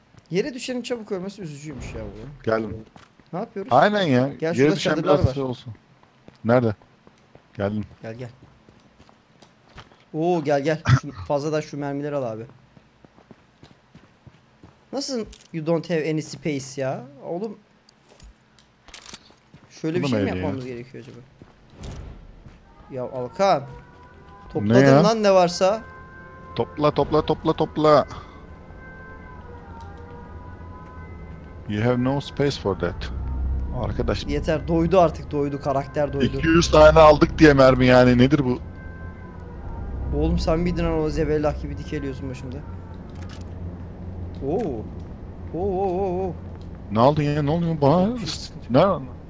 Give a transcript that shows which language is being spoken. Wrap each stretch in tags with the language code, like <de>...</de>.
<tr>Yere düşenin çabuk ölmesi üzücüymüş ya bu. Geldim. Ne yapıyoruz? Aynen ya. Gel, yere düşen biraz şey olsun. Nerede? Geldim. Gel gel. Oo gel gel. Fazladan şu mermileri al abi. Nasıl</tr> <en>you don't have any space</en> <tr>ya? Oğlum. Şöyle bir şey mi yapmamız gerekiyor acaba? Ya Alkan. Topladın lan ne varsa. Topla topla topla topla.</tr> <en>You have no space for that.</en> <tr>Arkadaş. Yeter, doydu artık, doydu. Karakter doydu. 200 tane aldık diye mermi yani, nedir bu? Oğlum sen bir dinan o zebellah gibi dikeliyorsun başımda. Oo. Oo oo oo oo. Ne aldın ya, ne oluyor bana? Ne?</tr>